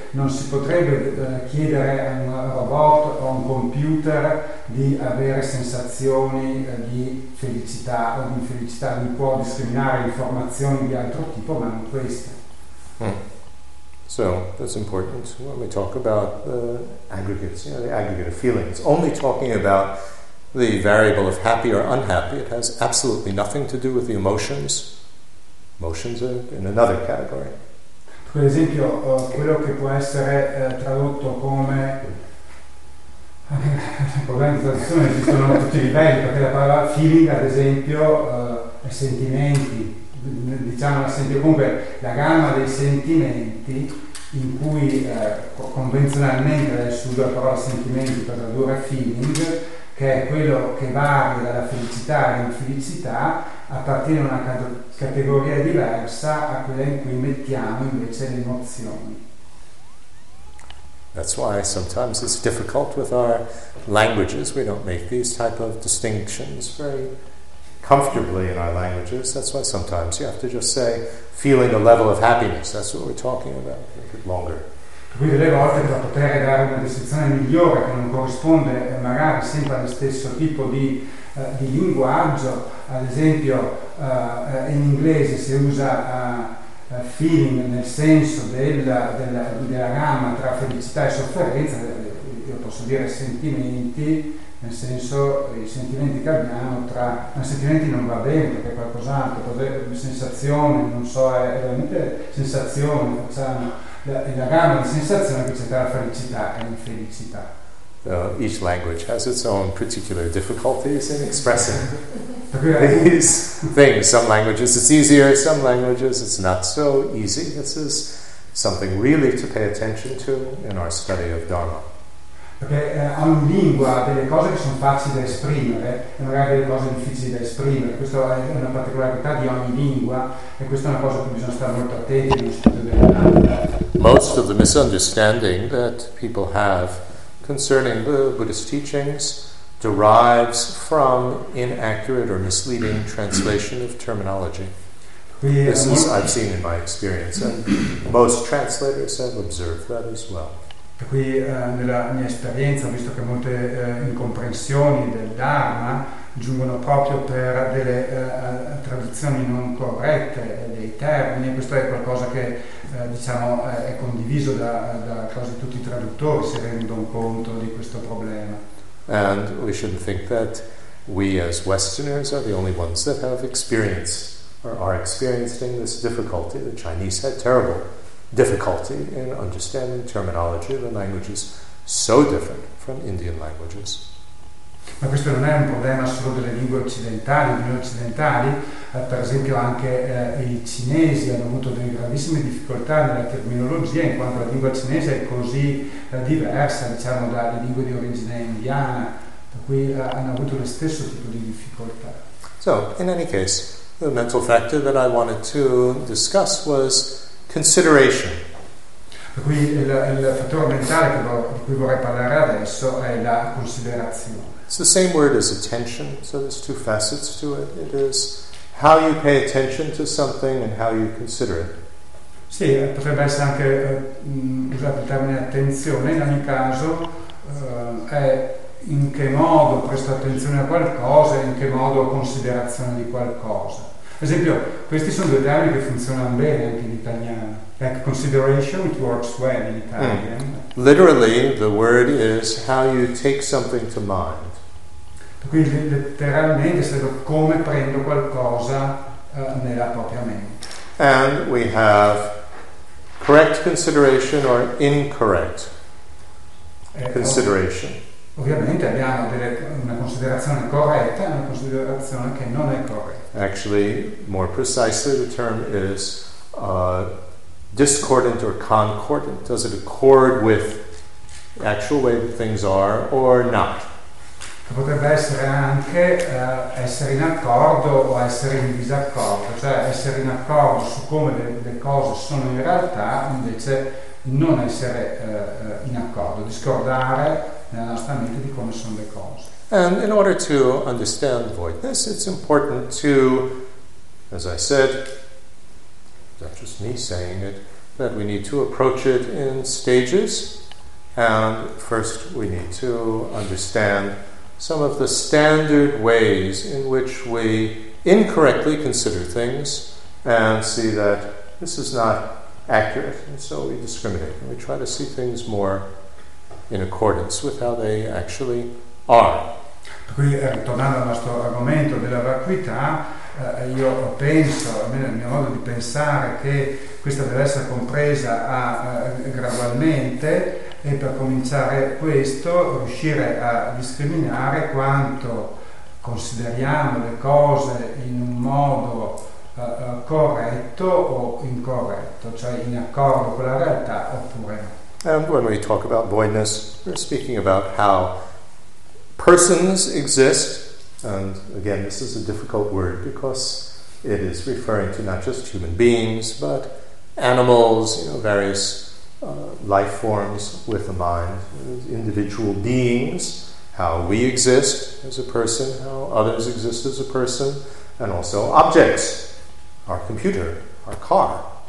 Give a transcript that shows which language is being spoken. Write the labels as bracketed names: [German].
[Italian] Non si potrebbe chiedere a un robot o a un computer di avere sensazioni di felicità o di infelicità. Non può discriminare informazioni di altro tipo, ma non queste. [English] So that's important when we talk about the aggregates, the aggregate of feelings. Only talking about the variable of happy or unhappy. It has absolutely nothing to do with the emotions. Emotions are in another category. [Italian] Per esempio, quello che può essere tradotto come problemi di traduzione esistono a tutti i livelli, perché la parola feeling, ad esempio, è sentimenti. Diciamo comunque la gamma dei sentimenti in cui convenzionalmente adesso uso la parola sentimenti per tradurre feeling, che è quello che varia dalla felicità all'infelicità, appartiene a una categoria diversa a quella in cui mettiamo invece le emozioni. [English] That's why sometimes it's difficult with our languages. We don't make these type of distinctions very comfortably in our languages. That's why sometimes you have to just say feeling a level of happiness. That's what we're talking about. A bit longer. [Italian] Quindi delle volte per poter dare una descrizione migliore che non corrisponde magari sempre allo stesso tipo di linguaggio, ad esempio in inglese si usa feeling nel senso della gamma tra felicità e sofferenza, io posso dire sentimenti, nel senso i sentimenti che abbiamo tra, ma sentimenti non va bene perché è qualcos'altro, sensazione, non so, è veramente sensazione, facciamo la gamma di sensazione che c'è tra la felicità e l'infelicità. [English] Each language has its own particular difficulties in expressing these things. Some languages it's easier, some languages it's not so easy. This is something really to pay attention to in our study of Dharma. [Italian] Perché ogni lingua ha delle cose che sono facili da esprimere e magari delle cose difficili da esprimere. Questa è una particolarità di ogni lingua e questa è una cosa a cui bisogna stare molto attenti nello studio della lingua. [English] Most of the misunderstanding that people have concerning the Buddhist teachings derives from inaccurate or misleading translation of terminology. This is, I've seen in my experience, and most translators have observed that as well. [Italian] Qui nella mia esperienza ho visto che molte incomprensioni del Dharma giungono proprio per delle traduzioni non corrette dei termini. Questo è qualcosa che diciamo è condiviso da quasi tutti i traduttori, si rendono conto di questo problema. [English] And we shouldn't think that we as Westerners are the only ones that have experienced or are experiencing this difficulty. The Chinese had terrible difficulty in understanding terminology. The language is so different from Indian languages. [Italian] Ma questo non è un problema solo delle lingue occidentali, delle occidentali. Per esempio anche i cinesi hanno avuto delle gravissime difficoltà nella terminologia, in quanto la lingua cinese è così diversa, diciamo, dalle lingue di origine indiana, per cui hanno avuto lo stesso tipo di difficoltà. [English] So, in any case, the mental factor that I wanted to discuss was consideration. [Italian] Per cui il fattore mentale di cui vorrei parlare adesso è la considerazione. [English] It's the same word as attention, so there's two facets to it. It is how you pay attention to something and how you consider it. [Italian] Sì, potrebbe essere anche usato il termine attenzione, in ogni caso è in che modo presto attenzione a qualcosa e in che modo considerazione di qualcosa. Ad esempio, questi sono due termini che funzionano bene anche in italiano. [English] Like consideration, it works well in Italian. Literally, the word is how you take something to mind. [Italian] Quindi letteralmente sarebbe come prendo qualcosa nella propria mente. [English] And we have correct consideration or incorrect consideration. [Italian] Ovviamente abbiamo una considerazione corretta e una considerazione che non è corretta. [English] Actually, more precisely, the term is discordant or concordant. Does it accord with the actual way that things are or not? [Italian] Potrebbe essere anche essere in accordo o essere in disaccordo, cioè essere in accordo su come le cose sono in realtà, invece non essere in accordo, discordare nella nostra mente di come sono le cose. [English] And in order to understand voidness, it's important to, as I said, not just me saying it, that we need to approach it in stages. And first we need to understand some of the standard ways in which we incorrectly consider things and see that this is not accurate. And so we discriminate and we try to see things more in accordance with how they actually are. [Italian] Quindi, tornando al nostro argomento della vacuità, io penso, almeno nel mio modo di pensare, che questa deve essere compresa gradualmente, e per cominciare questo, riuscire a discriminare quanto consideriamo le cose in un modo corretto o incorretto, cioè in accordo con la realtà oppure no. [English] And when we talk about voidness, we're speaking about how persons exist, and again, this is a difficult word because it is referring to not just human beings, but animals, you know, various life forms with a mind, individual beings, how we exist as a person, how others exist as a person, and also objects, our computer, our car.